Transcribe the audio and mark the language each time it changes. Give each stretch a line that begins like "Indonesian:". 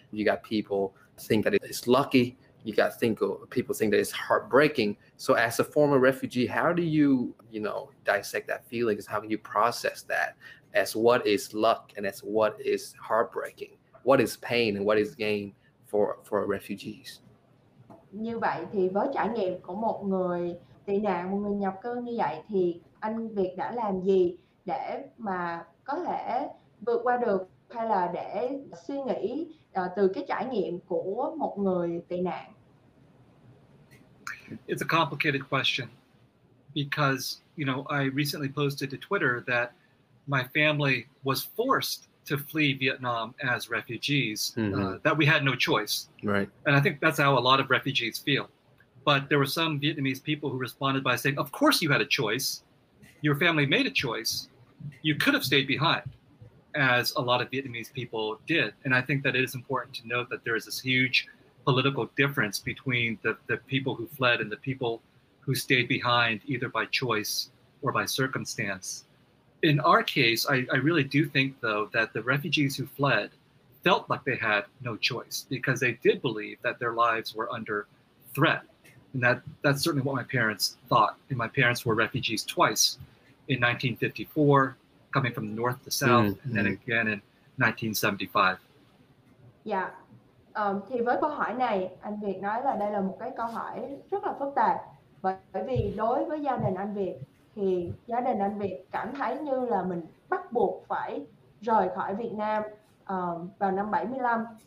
English: You got people think that it's lucky. You got people think that it's heartbreaking. So as a former refugee, how do you, you know, dissect that feeling? How can you process that as what is luck and as what is heartbreaking? What is pain and what is gain for refugees?
Vietnamese: Như vậy thì với trải nghiệm của một người tị nạn, một người nhập cư như vậy, thì anh Việt đã làm gì để mà có thể vượt qua được, hay là để suy nghĩ từ cái trải nghiệm của một người tị nạn?
English: It's a complicated question, because you know, I recently posted to Twitter that my family was forced to flee Vietnam as refugees, that we had no choice. Right. And I think that's how a lot of refugees feel. But there were some Vietnamese people who responded by saying, of course you had a choice. Your family made a choice. You could have stayed behind, as a lot of Vietnamese people did. And I think that it is important to note that there is this huge political difference between the people who fled and the people who stayed behind, either by choice or by circumstance. In our case, I really do think, though, that the refugees who fled felt like they had no choice, because they did believe that their lives were under threat. And that's certainly what my parents thought. And my parents were refugees twice, in 1954, coming from the north to south, and then again in 1975. Yeah.
Vietnamese: Thì với câu hỏi này, anh Việt nói là đây là một cái câu hỏi rất là phức tạp. Bởi vì đối với gia đình anh Việt, thì gia đình anh Việt cảm thấy như là mình bắt buộc phải rời khỏi Việt Nam vào năm 75.